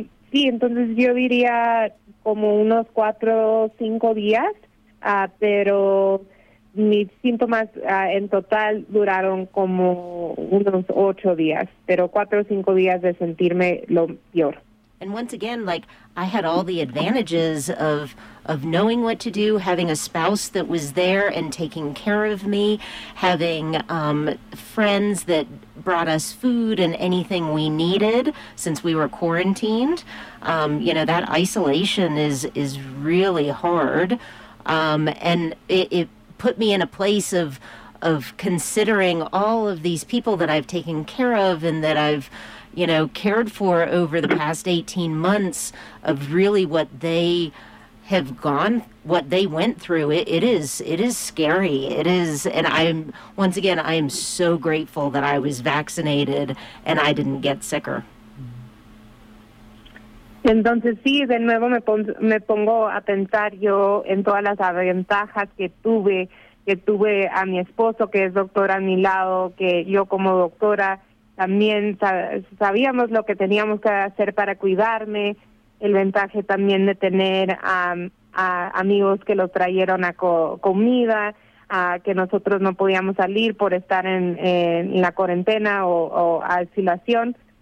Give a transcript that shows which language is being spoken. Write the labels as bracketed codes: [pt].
[es] Sí, entonces yo diría como unos 4 o 5 días, pero mis síntomas en total duraron como unos 8 días, pero 4 o 5 días de sentirme lo peor. [en] And once again, like, I had all the advantages of knowing what to do, having a spouse that was there and taking care of me, having friends that brought us food and anything we needed since we were quarantined. You know, that isolation is really hard. And it put me in a place of considering all of these people that I've taken care of and that I've, you know, cared for over the past 18 months of really what they have gone, what they went through. It is scary. It is, and I'm, once again, I am so grateful that I was vaccinated and I didn't get sicker. [es] Entonces, sí, de nuevo me pongo a pensar yo en todas las ventajas que tuve que tuve a mi esposo, que es doctor a mi lado, que yo como doctora también sabíamos lo que teníamos que hacer para cuidarme, el ventaje también de tener a amigos que lo trajeron a comida, a que nosotros no podíamos salir por estar en la cuarentena o aislación.